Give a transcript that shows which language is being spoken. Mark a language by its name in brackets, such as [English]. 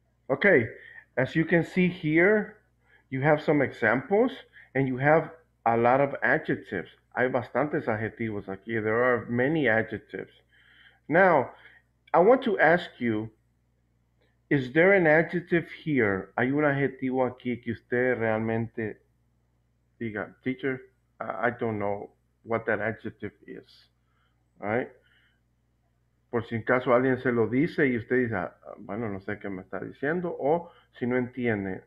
[English] Okay, as you can see here, you have some examples and you have a lot of adjectives. [Spanish] Hay bastantes adjetivos aquí. [English] There are many adjectives. Now, I want to ask you, is there an adjective here? [Spanish] ¿Hay un adjetivo aquí que usted realmente diga, teacher? [English] I don't know what that adjective is, right? [Spanish] Por si en caso alguien se lo dice y usted dice, bueno, no sé qué me está diciendo, o si no entiende.